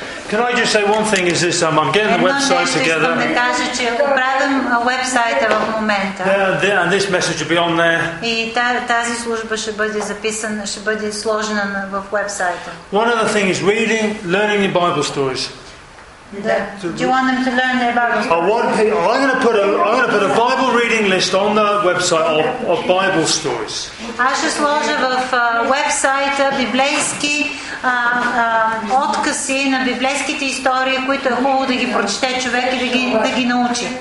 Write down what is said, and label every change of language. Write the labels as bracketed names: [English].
[English] Can I just say one thing is this, I'm getting the website together. And this message will be on there. [Bulgarian] И тази служба ще бъде записана, ще бъде сложена в вебсайта. [English] One other thing is reading, learning the Bible stories. Do you want them to learn their Bible stories? I'm going to put a Bible reading list on the website of Bible stories. [Bulgarian] Аз ще сложа в вебсайта библейски откъси на библейските истории, които е хубаво да ги прочете човек и да ги научи.